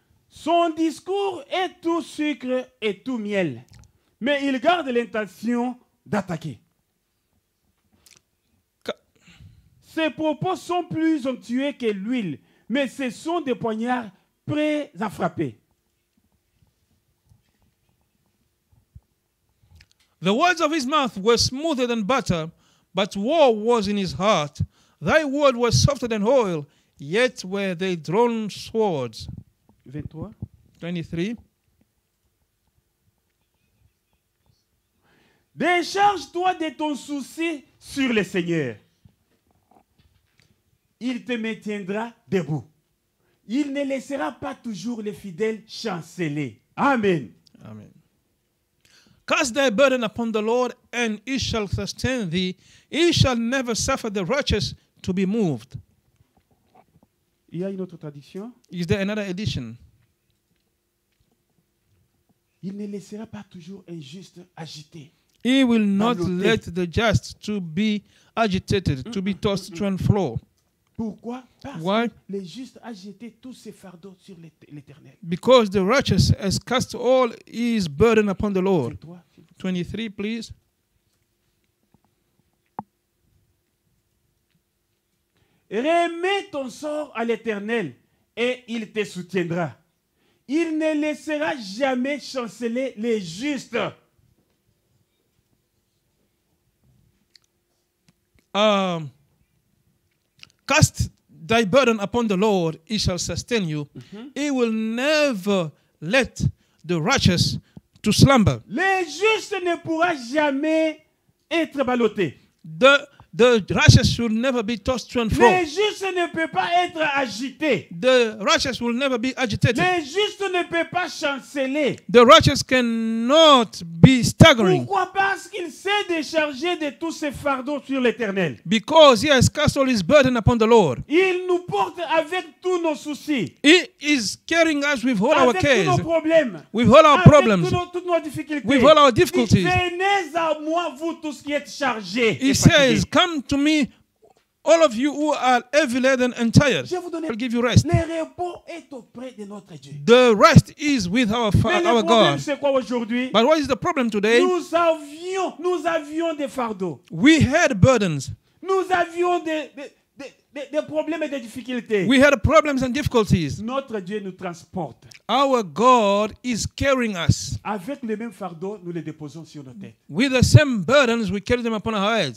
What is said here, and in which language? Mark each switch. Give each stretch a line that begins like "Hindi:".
French: Son discours est tout sucre et tout miel, mais il garde l'intention d'attaquer. Ses propos sont plus onctueux que l'huile, mais ce sont des poignards prêts à frapper.
English: The words of his mouth were smoother than butter, but war was in his heart. Thy word was softer than oil, yet were they drawn swords. 23.
French: Décharge-toi de ton souci sur le Seigneur. Il te maintiendra debout. Il ne laissera pas toujours les fidèles chanceler. Amen.
English: Amen. Cast thy burden upon the Lord, and he shall sustain thee. He shall never suffer the righteous to be moved.
French: Il y a une autre tradition?
English: Is there another edition?
French: Il ne laissera pas toujours un juste agité.
English: He will not let the just to be agitated, to be tossed to and fro.
French: Pourquoi? Parce que le juste a jeté tous ses fardeaux sur l'Éternel.
English: Because the righteous has cast all his burden upon the Lord. 23, please.
French: Remets ton sort à l'Éternel et il te soutiendra. Il ne laissera jamais chanceler les justes.
English: Cast thy burden upon the Lord, he shall sustain you. Mm-hmm. He will never let the righteous to slumber.
French: Le juste ne pourra jamais être ballotté.
English: The righteous will never be tossed to and fro.
French: Le juste ne peut pas être agité.
English: The righteous will never be agitated.
French: Le juste ne peut pas chanceler.
English: The righteous cannot be staggering.
French: Pourquoi? Parce qu'il s'est déchargé de tous ses fardeaux sur l'Éternel.
English: Because he has cast all his burden upon the Lord.
French: Il nous porte avec tous nos soucis.
English: He is carrying us with all
French: avec
English: our cares.
French: Avec tous nos problèmes.
English: With all our
French: avec
English: problems.
French: Avec toutes nos difficultés.
English: With all our difficulties.
French: Venez à moi, vous tous qui êtes chargés.
English: He says, come to me, all of you who are heavy laden and tired. I'll give you rest.
French: Le repos est auprès de notre Dieu.
English: The rest is with our
French: Mais
English: our God.
French: C'est quoi aujourd'hui?
English: But what is the problem today?
French: Nous avions des fardeaux.
English: We had burdens.
French: Nous avions des problèmes et des difficultés.
English: We had problems and difficulties.
French: Notre Dieu nous transporte.
English: Our God is carrying us.
French: Avec les mêmes fardeaux, nous les déposons sur nos têtes.
English: With the same burdens, we carry them upon our heads.